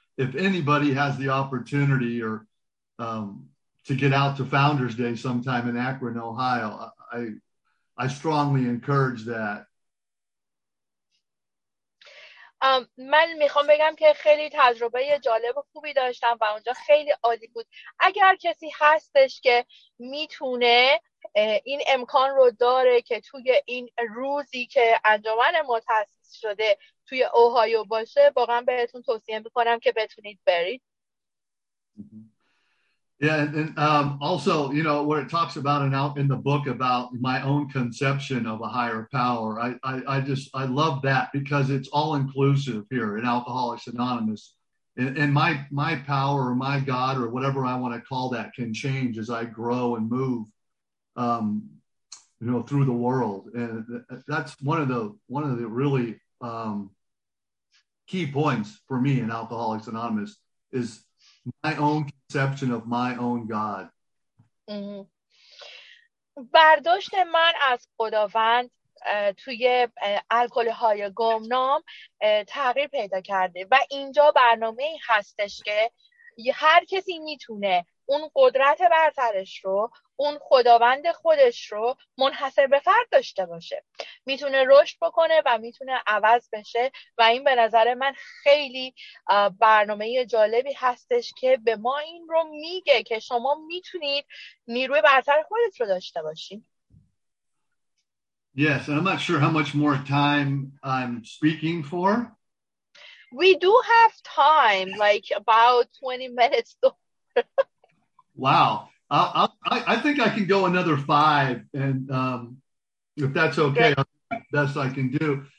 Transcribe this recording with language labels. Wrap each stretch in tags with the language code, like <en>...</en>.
<en>if anybody has the opportunity or to get out to Founders Day sometime in Akron, Ohio, I strongly encourage that.</en> <fa>من میخوام بگم که خیلی تجربه جالب و خوبی داشتم و اونجا خیلی عالی بود. اگر کسی هستش که میتونه این امکان رو داره که توی این روزی که انجمن ما تأسیس شده توی اوهایو باشه، واقعا بهتون توصیه میکنم که بتونید برید.</fa> <en>Yeah, and also, you know, where it talks about and out in the book about my own conception of a higher power, I love that because it's all inclusive here in Alcoholics Anonymous. And my power or my God or whatever I want to call that can change as I grow and move, you know, through the world. And that's one of the really key points for me in Alcoholics Anonymous is my own conception of my own God.</en> <fa>برداشت من از خداوند توی الکل‌های گمنام تغییر پیدا کرده و اینجا برنامه‌ای هستش که هر کسی میتونه اون قدرت برترش رو، اون خداوند خودش رو منحصر به فرد داشته باشه. میتونه رشد بکنه و میتونه عوض بشه و این به نظر من خیلی برنامه جالبی هستش که به ما این رو میگه که شما میتونید نیروی برتر خودت رو داشته باشید.</fa> <en>Yes, and I'm not sure how much more time I'm speaking for. We do have time, like about 20 minutes though. Wow. I think I can go another 5, and if that's okay, best I can do.</en>